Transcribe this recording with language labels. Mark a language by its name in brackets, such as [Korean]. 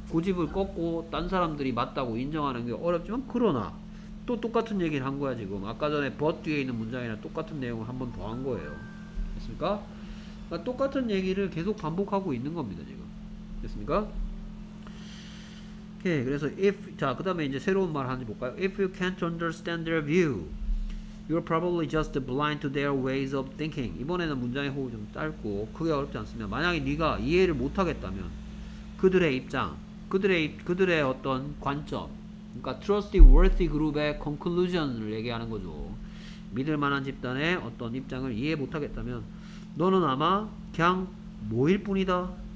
[Korean] 고집을 꺾고 딴 사람들이 맞다고 인정하는 게 어렵지만 그러나 또 똑같은 얘기를 한 거야 지금. 아까 전에 but 뒤에 있는 문장이랑 똑같은 내용을 한 번 더 한 거예요. 됐습니까? 그러니까 똑같은 얘기를 계속 반복하고 있는 겁니다 지금. 됐습니까? 오케이. 그래서 if 자 그 다음에 이제 새로운 말 하는지 볼까요? [English] If you can't understand their view, you're probably just blind to their ways of thinking. [Korean] 이번에는 문장의 호흡이 좀 짧고 크게 어렵지 않습니다. 만약에 네가 이해를 못하겠다면 그들의 입장, 그들의 어떤 관점, 그러니까 [English] trustworthy group [Korean] 의 conclusion을 얘기하는 거죠. 믿을 만한 집단의 어떤 입장을 이해 못하겠다면 너는 아마 그냥 뭐일 뿐이다.